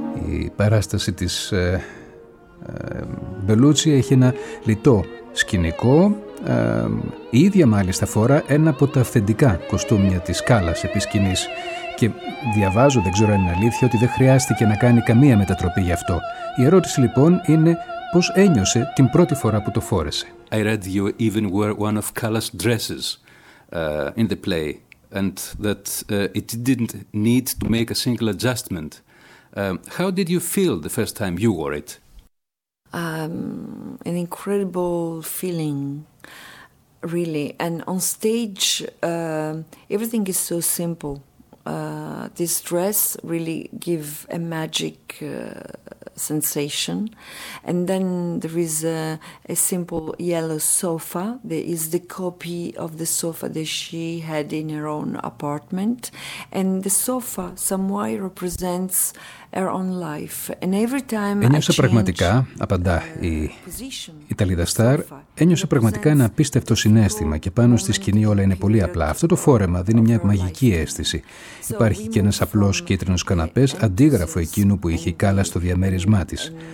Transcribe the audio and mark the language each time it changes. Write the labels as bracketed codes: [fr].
[el] Η παράσταση της Μπελούτσι έχει ένα λιτό σκηνικό, Η ίδια μάλιστα φορά ένα από τα αυθεντικά κοστούμια της Κάλλας επί σκηνής. Και διαβάζω, δεν ξέρω αν είναι αλήθεια, ότι δεν χρειάστηκε να κάνει καμία μετατροπή γι' αυτό. Η ερώτηση λοιπόν είναι πώς ένιωσε την πρώτη φορά που το φόρεσε. [en] I read you even wore one of Kala's dresses in the play and that it didn't need to make a single adjustment. How did you feel the first time you wore it? An incredible feeling, really. And on stage, everything is so simple. This dress really give a magic sensation. And then there is a simple yellow sofa that is the copy of the sofa that she had in her own apartment. And the sofa, somehow, represents her own life. And every time [el] ένιωσα πραγματικά, απαντά η Ιταλίδα Στάρ, ένιωσα πραγματικά ένα απίστευτο συνέστημα και πάνω στη σκηνή όλα είναι πολύ απλά. Αυτό το φόρεμα δίνει μια μαγική αίσθηση. Υπάρχει και ένας απλός κίτρινος καναπές, αντίγραφο εκείνου που είχε η Κάλλας στο διαμέρισμά της.